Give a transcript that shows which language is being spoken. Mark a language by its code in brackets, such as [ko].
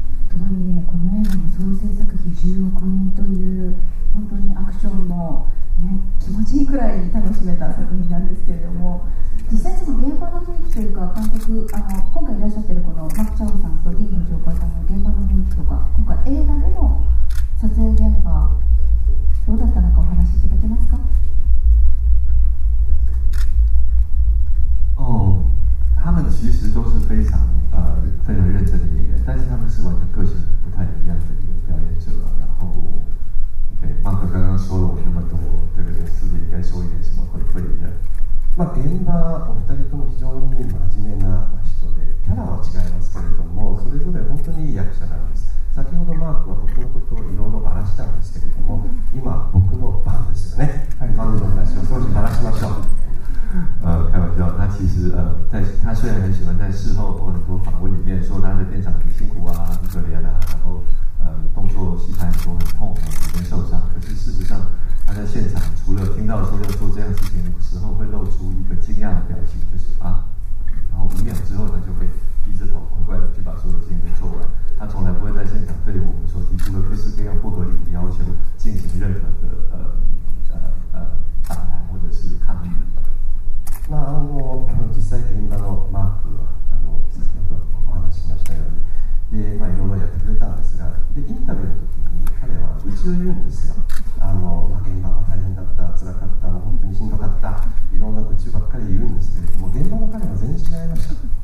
[ja] とはいえこの映画の総制作費10億円という本当にアクションの、ね、気持ちいいくらい楽しめた作品なんですけれども、実際その現場の雰囲気というか、監督、あの今回いらっしゃっているこのマクチャオさんとリーの上官さんの現場の雰囲気とか、今回映画での撮影現場どうだったのかお話しいただけますか。 [zh] 哦，他们其实都是非常非常认真的演员，但是他们是完全个性不太一样的一个表演者。然后 ，OK， 马克刚刚说了我那么多，对不对？是不是应该说一点什么回馈的？ [ja] まあ、現場お二人とも非常に真面目な人で、キャラは違いますけれども、それぞれ本当にいい役者なんです。先ほどマークは僕のことをいろいろバラしたんですけれども、今僕の番ですよね。番の話を少しバラしましょう。 [zh] 开玩笑，他其实他虽然很喜欢在事后或很多访问里面说他的片场很辛苦啊，很可怜啊，然后动作戏太多很痛，每天受伤。可是事实上，他在现场除了听到说要做这样事情的时候，会露出一个惊讶的表情，就是啊，然后五秒之后他就会低着头乖乖的去把所有事情都做完。他从来不会在现场对我们所提出的各式各样不合理的要求进行任何的反弹或者是抗议。 [ja] まあ、実際現場のマークは先ほどお話ししましたように、で、まあ、いろいろやってくれたんですが、でインタビューの時に彼は一応言うんですよ。まあ、現場は大変だった、辛かった、もう本当にしんどかった、いろんな愚痴ばっかり言うんですけれども、現場の彼は全然違いました。